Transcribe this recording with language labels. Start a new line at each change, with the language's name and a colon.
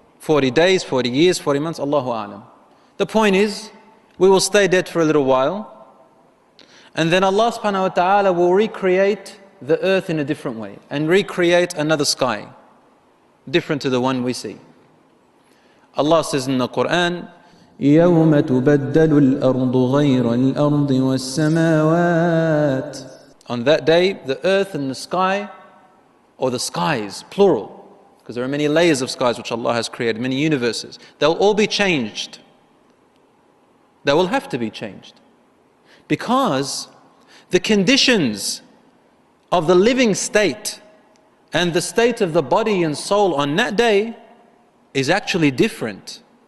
English: 40 days, 40 years, 40 months, Allahu A'lam. The point is, we will stay dead for a little while, and then Allah subhanahu wa ta'ala will recreate the earth in a different way, and recreate another sky, different to the one we see. Allah says in the Quran,
Arabic: يَوْمَ تُبَدَّلُ الْأَرْضُ غَيْرَ الْأَرْضِ وَالسَّمَاوَاتِ.
English: On that day, the earth and the sky, or the skies, plural, because there are many layers of skies which Allah has created, many universes, they'll all be changed. They will have to be changed. Because the conditions of the living state and the state of the body and soul on that day is actually different.